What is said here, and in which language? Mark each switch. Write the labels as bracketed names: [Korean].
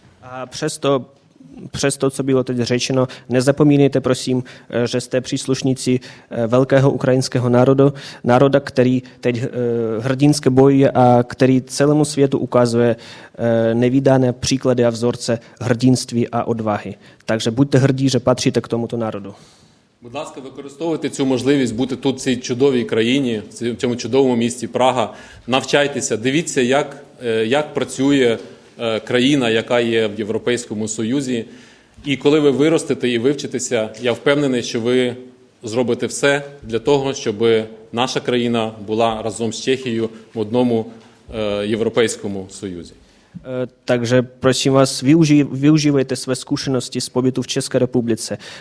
[Czech] А přesto, co bylo teď řečeno, nezapomínejte, prosím, že jste příslušníci velkého ukrajinského národu, národa, který teď hrdinsky bojuje a který celému světu ukazuje nevídané příklady a vzorce hrdinství a odvahy. Takže buďte hrdí, že patříte k tomuto národu. [Ukrainian] Будь ласка, використовуйте цю можливість бути тут, в цій чудовій країні, в цьому чудовому місті Прага. Навчайтеся, дивіться, як працює країна, яка є в Європейському Союзі. І коли ви виростете і вивчитеся, я впевнений, що ви зробите все для того, щоб наша країна була разом з Чехією в одному Європейському Союзі. [Czech] Takže prosím вас, využívайте své zkušenosti з pobytu в Českій Республіці.